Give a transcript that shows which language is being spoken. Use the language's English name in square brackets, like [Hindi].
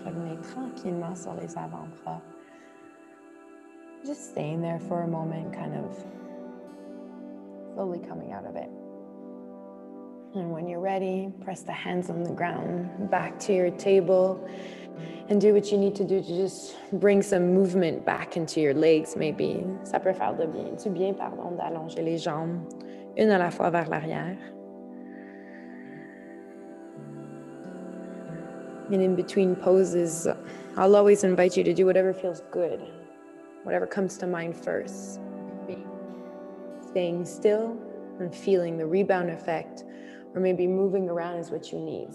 [French] Revenez tranquillement sur les avant-bras. [English] Just staying there for a moment, kind of slowly coming out of it. And when you're ready, press the hands on the ground back to your table and do what you need to do to just bring some movement back into your legs, maybe. [French] Ça peut faire du bien, d'allonger les jambes une à la fois vers l'arrière. [English] And in between poses, I'll always invite you to do whatever feels good. whatever comes to mind first. Staying still and feeling the rebound effect, or maybe moving around is what you need.